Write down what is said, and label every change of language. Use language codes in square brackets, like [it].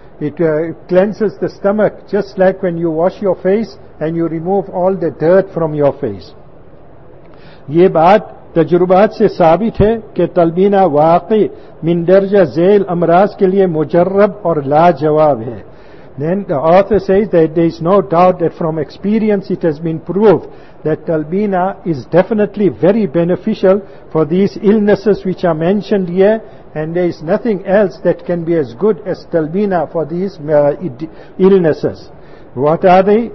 [en] It cleanses the stomach just like when you wash your face and you remove all the dirt from your face. [ur] یہ بات تجربات سے ثابت ہے کہ تلبینہ واقعی مندرجہ ذیل امراض کے لیے مجرب اور لاجواب ہے. [en] Then the author says that there is no doubt that from experience it has been proved that Talbina is definitely very beneficial for these illnesses which are mentioned here, and there is nothing else that can be as good as Talbina for these illnesses. What are they?